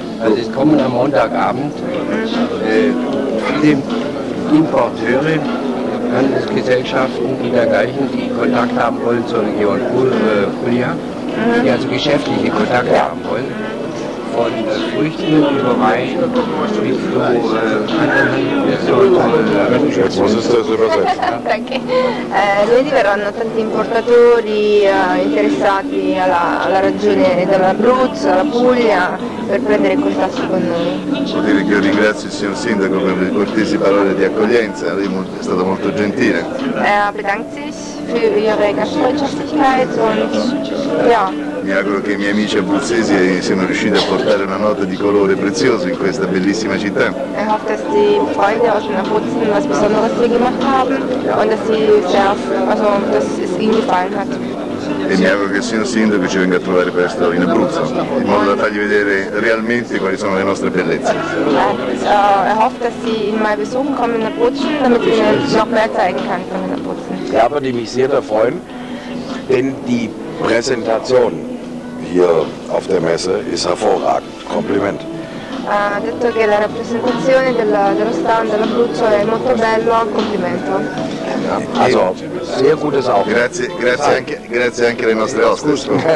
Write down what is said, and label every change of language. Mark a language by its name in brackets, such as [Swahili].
[German] Also es kommen am Montagabend viele Importeure, Handelsgesellschaften, die dergleichen, die Kontakt haben wollen zur Region Puglia. Die also geschäftliche Kontakte haben wollen, von Früchten über Wein bis zu Was ist das übersetzt? Danke. [Italian] Lunedì verranno tanti importatori interessati alla regione dell'Abruzzo, alla Puglia, per prendere contatto con noi. Vuol dire che io ringrazio il signor sindaco per le cortesi parole di accoglienza, lui è stato molto gentile. [German] Bedankt sich für ihre Gastfreundschaftlichkeit und ja. [Italian] Mi auguro che i miei amici abruzzesi siano riusciti a portare una nota di colore prezioso in questa bellissima città. [German] Ich hoffe, dass die Freunde aus den Abruzzen was Besonderes hier gemacht haben und dass sie sehr, also dass es ihnen gefallen hat. [Italian] E mi auguro che il signor sindaco ci venga a trovare presto in Abruzzo, in modo da fargli vedere realmente quali sono le nostre bellezze. [German] Er hofft, dass sie in mein Besuch kommen in Abruzzen, damit sie mir noch mehr zeigen kann von den Abruzzen. Ja, aber die mich sehr da freuen, denn die Präsentation hier auf der Messe ist hervorragend. Kompliment. [Italian] Ha detto che la rappresentazione dello stand dell'Abruzzo è molto bello, complimento. [German] Also, sehr gutes auch. [Italian] Grazie anche alle nostre hostess.